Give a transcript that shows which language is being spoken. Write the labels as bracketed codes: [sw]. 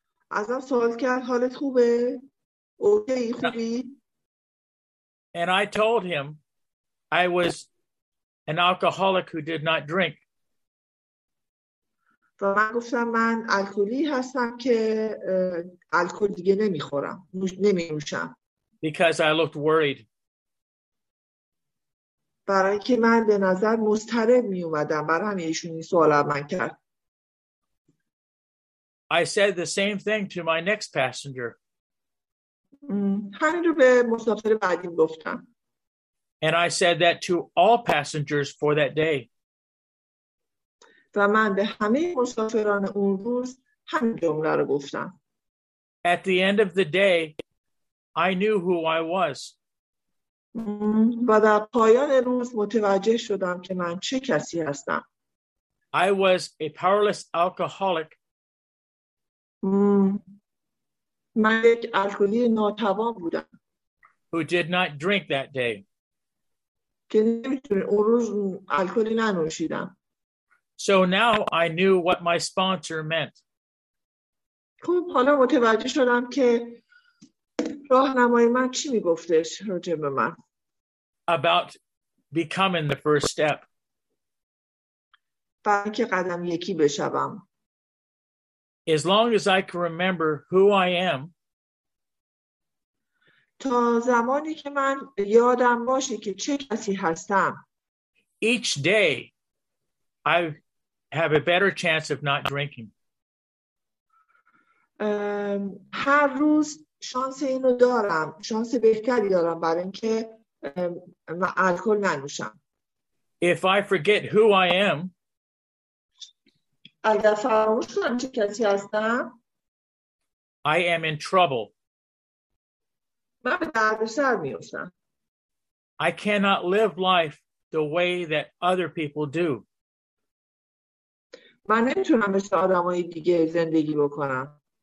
[fa] ازم سوال کرد حالت خوبه؟ اوکی خوبی؟ [en] And I told him I was an alcoholic who did not drink. [fa] و من گفتم من الکلی هستم که الکل دیگه نمیخورم. نمینوشم. [en] Because I looked worried. [fa] برای اینکه من به نظر مضطرب میومدم. برای همین ایشون این سوال از من کرد. [en] I said the same thing to my next passenger. [fa] همین رو به مسافر بعدی گفتم. [en] And I said that to all passengers for that day. [fa] و من به همه مسافران اون روز همین جمله رو گفتم. [en] At the end of the day, I knew who I was. [fa] و در پایان روز متوجه شدم که من چه کسی هستم. [en] I was a powerless alcoholic. [fa] من یک الکلی ناتوان بودم. [en] Who did not drink that day. [fa] که نمیتونه اون روز الکلی ننوشیدم. [en] So now I knew what my sponsor meant. [fa] خب حالا متوجه شدم که راهنمای من چی میگفتش راجع به من. [en] About becoming the first step. [fa] برای که قدم یکی بشوم. [en] As long as I can remember who I am. [fa] تا زمانی که من یادم باشه که چه کسی هستم. [en] Each day I have a better chance of not drinking. [fa] هر روز شانس اینو دارم. شانس بهتری دارم برای اینکه من الکل ننوشم. [en] If I forget who I am. [fa] اگر فراموش کنم چه کسی هستم. [en] I am in trouble. [fa] من به دردسر میفتم. [en] I cannot live life the way that other people do. [fa] من نمیتونم مثل آدمای دیگه زندگی بکنم.